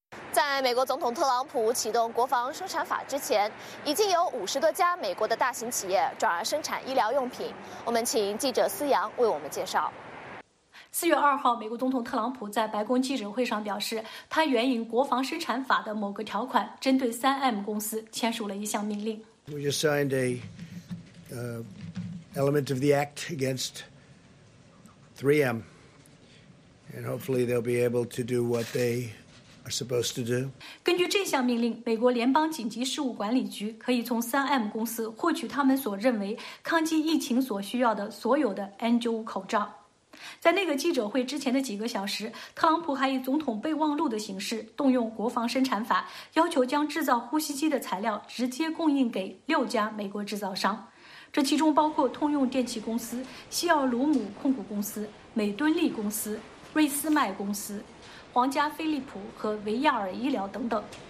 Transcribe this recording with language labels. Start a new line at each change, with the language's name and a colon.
Chinese: 在美国总统特朗普启动国防生产法之前，已经有50多家美国的大型企业转而生产医疗用品。我们请记者思阳为我们介绍。 4月2号，美国总统特朗普在白宫记者会上表示，他援引国防生产法的某个条款，针对 3M 公司签署了一项命令。
English: We just signed a element of the act against 3M, and hopefully they'll be able to do what they are supposed to do.
Chinese: 根据这项命令，美国联邦紧急事务管理局可以从 3M 公司获取他们所认为抗击疫情所需要的所有的 N95 口罩。在那个记者会之前的几个小时，特朗普还以总统备忘录的形式动用国防生产法，要求将制造呼吸机的材料直接供应给6家美国制造商，这其中包括通用电气公司、西奥鲁姆控股公司、美敦力公司、瑞斯麦公司、皇家飞利浦和维亚尔医疗等等。